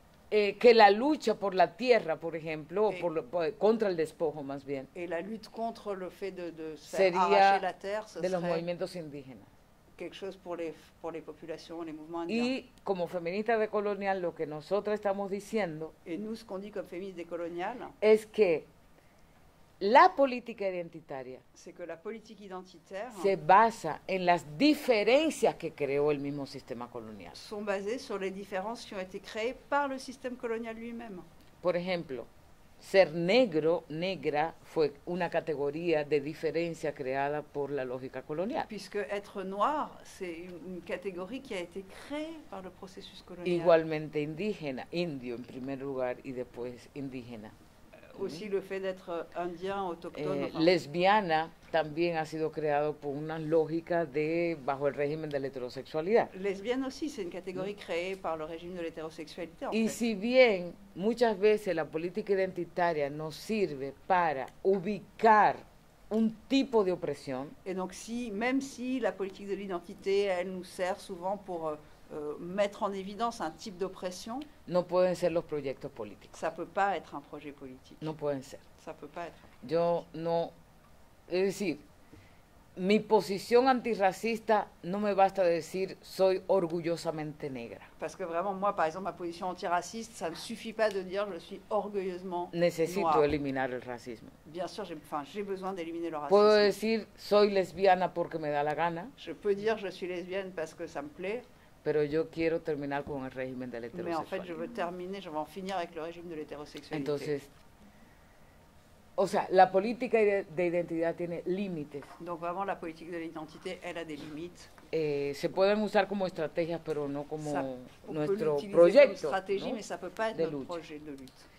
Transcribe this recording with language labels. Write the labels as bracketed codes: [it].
[es] Que la lucha por la tierra, por ejemplo, contra el despojo, más bien. Y la lucha contra el [fr] fait de [es] sería [fr] arracher la terre, [es] de los movimientos indígenas. [fr] Quelque chose pour les populations, les mouvements [es] indiens. Y como feminista decolonial, lo que nosotros estamos diciendo. [fr] Et nous, ce qu'on dit comme féministe décoloniale. [es] Es que la política identitaria. [fr] C'est que la politique identitaire. [es] Se basa en las diferencias que creó el mismo sistema colonial. [fr] Sont basées sur les différences qui ont été créées par le système colonial lui-même. [es] Por ejemplo, ser negro, negra, fue una categoría de diferencia creada por la lógica colonial. [fr] Puisque être noir, c'est une catégorie qui a été créée par le processus colonial. [es] Igualmente indígena, indio en primer lugar y después indígena. [fr] Aussi le fait d'être indien, autochtone. [es] Lesbiana también ha sido creado por una lógica de bajo el régimen de la heterosexualidad. [fr] Lesbiana aussi, c'est une catégorie créée par le régime de l'hétérosexualité. [es] Y si bien muchas veces la política identitaria nos sirve para ubicar un tipo de opresión. [fr] Et donc si, même si la politique de l'identité, elle nous sert souvent pour mettre en évidence un type d'oppression. [es] No pueden ser los proyectos políticos. [fr] Ça peut pas être un projet politique. [es] No pueden ser. [fr] Ça peut pas être. [es] Yo no, es decir, mi posición antirracista no me basta de decir soy orgullosamente negra. [fr] Parce que vraiment moi par exemple ma position antiraciste ça ne suffit pas de dire je suis orgueilleusement noire. [es] Necesito eliminar el racismo. [fr] Bien sûr, j'ai besoin d'éliminer le racisme. [es] Puedo decir soy lesbiana porque me da la gana. [fr] Je peux dire je suis lesbienne parce que ça me plaît. [es] Pero yo quiero terminar con el régimen de la heterosexualidad. [fr] Mais en fait, je veux terminer, je veux en finir avec le régime de l'hétérosexualité. [es] Entonces, o sea, la política de identidad tiene límites. [fr] Donc vraiment, la politique de l'identité, elle a des limites. [es] Se pueden usar como estrategias, pero no como nuestro proyecto. [fr] Comme stratégie, mais ça peut pas être notre projet de lutte.